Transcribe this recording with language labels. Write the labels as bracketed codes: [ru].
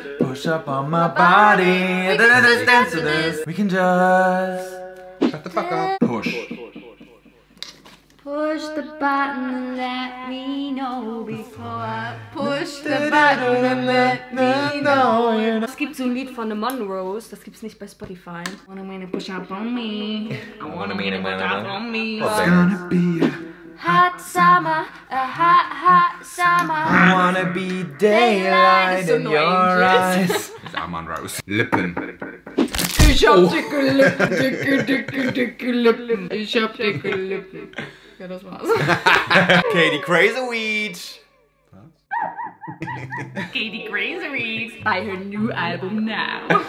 [en] Push up on my body. We can just dance to this. We can just shut the fuck up. Push. Push the button and let me know before I push the button and let me know. [de] Es gibt so ein Lied von The Monroes, das gibt's nicht bei Spotify. [en] Wanna mean to push up on me. I wanna mean to push up on me. What's gonna be? Hot summer, a hot, hot summer. I wanna be daylight in your eyes. It's Amon Rose. [de] Lippen. Ich hab dicke Lippen, dicke, dicke, dicke Lippen. Ich hab dicke Lippen. Ja, das war's. [en] Katie Crazy Weed. Katie Crazy Weed. Buy her new album now.